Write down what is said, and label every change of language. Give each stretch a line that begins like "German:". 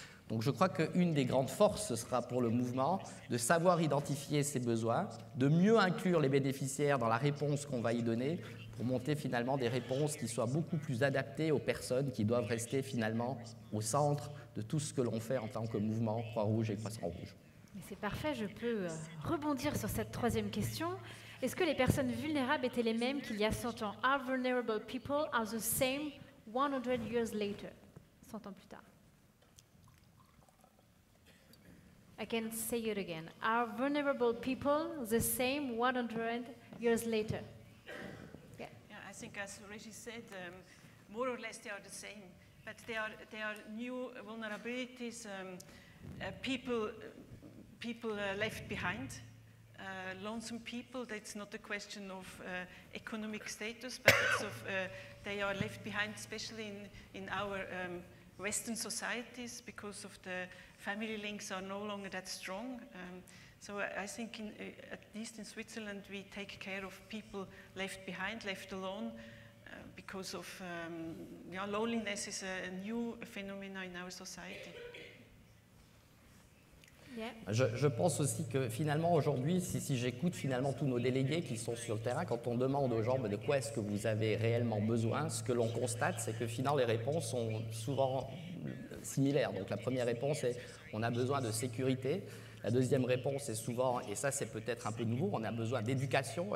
French: Donc je crois qu'une des grandes forces sera pour le mouvement de savoir identifier ses besoins, de mieux inclure les bénéficiaires dans la réponse qu'on va y donner pour monter finalement des réponses qui soient beaucoup plus adaptées aux personnes qui doivent rester finalement au centre de tout ce que l'on fait en tant que mouvement Croix-Rouge et Croissant-Rouge. C'est parfait, je peux rebondir sur cette troisième question. Est-ce que les personnes vulnérables étaient les mêmes qu'il y a 100 ans?
English: Are vulnerable people are the same 100 years later?
French: 100 ans plus tard.
English: I can say it again. Are vulnerable people the same 100 years later? Yeah. I think as Régis said, more or less they are the same, but they are new vulnerabilities, people left behind. Lonesome people, that's not a question of economic status, but it's of they are left behind, especially in our Western societies, because of the family links are no longer that strong. So I think at least in Switzerland, we take care of people left behind, left alone, because of loneliness is a new phenomenon in our society. Yeah.
French: Je pense aussi que finalement aujourd'hui, si j'écoute finalement tous nos délégués qui sont sur le terrain, quand on demande aux gens de quoi est-ce que vous avez réellement besoin, ce que l'on constate, c'est que finalement les réponses sont souvent similaires. Donc la première réponse est on a besoin de sécurité. La deuxième réponse est souvent, et ça c'est peut-être un peu nouveau, on a besoin d'éducation.